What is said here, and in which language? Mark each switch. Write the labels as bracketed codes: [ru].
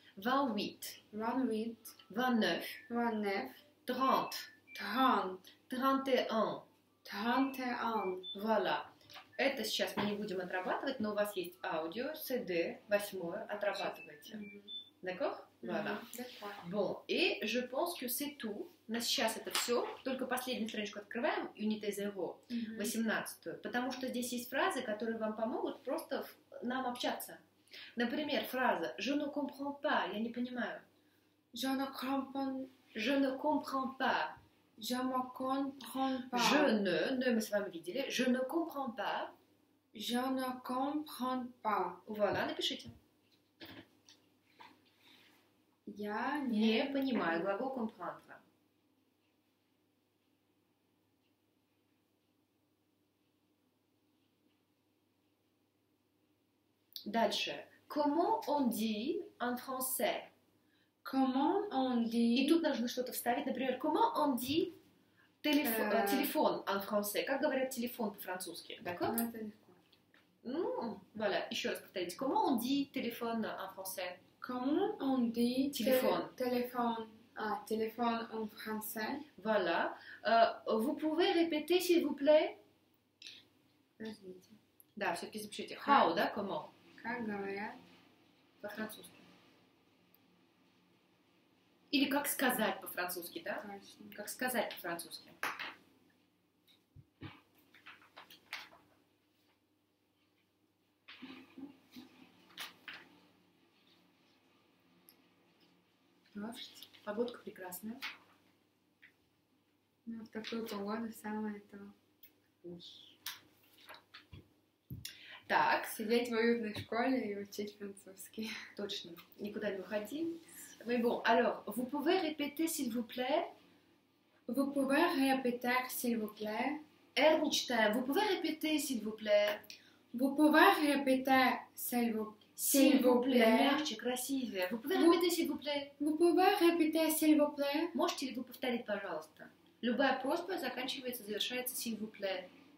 [fr] 28. 28. 29. 29. 30. 30. 31. 31. Voilà. [ru] Это сейчас мы не будем отрабатывать, но у вас есть аудио, CD, 8, отрабатывайте. [fr] D'accord? Voilà. Bon, et je pense que c'est tout. [ru] На сейчас это все. Только последнюю страничку открываем, Unité 0, 18. Потому что здесь есть фразы, которые вам помогут просто нам общаться. Например, фраза [fr] «Je ne comprends pas», [ru] я не понимаю. [fr] «Je ne comprends, je ne comprends pas». Je ne comprends pas. Je ne, [ru] мы с вами видели. [fr] Je ne comprends pas. Je ne comprends pas. Voilà, [ru] напишите. Я не понимаю глагол comprendre. [fr] Дальше. Comment on dit en français? Comment on dit... И тут нужно что-то вставить. Например, comment on dit телефон en français? [ru] Как говорят телефон по-французски? [fr] D'accord? [ru] Ну, voilà. Еще раз повторите. [fr] Comment on dit телефон en français? Comment on dit [ru] телефон? Телефон. [fr] А, телефон en français. Voilà. Vous pouvez répéter, s'il vous plaît? [ru] Подождите. Да, все-таки запишите. How, да? Comment? Как говорят? По-французски. Или как сказать по-французски, да? Точно. Как сказать по-французски. Дождь. Погодка прекрасная. Ну, в такую погоду самое то. Так. Сидеть в уютной школе и учить французский. Точно. Никуда не выходи. [fr] Mais bon, alors, vous pouvez répéter, s'il vous plaît? Vous pouvez répéter, s'il vous plaît? [ru] R, мечтаем. [fr] Vous pouvez répéter, s'il vous plaît? Vous pouvez répéter, s'il vous plaît? S'il vous plaît. [ru] Мягче, красивее. [fr] Vous pouvez répéter, s'il vous plaît? Vous pouvez répéter, s'il vous plaît? [ru] Можете ли вы повторить, пожалуйста? Любая просьба заканчивается, завершается, [fr] s'il vous plaît.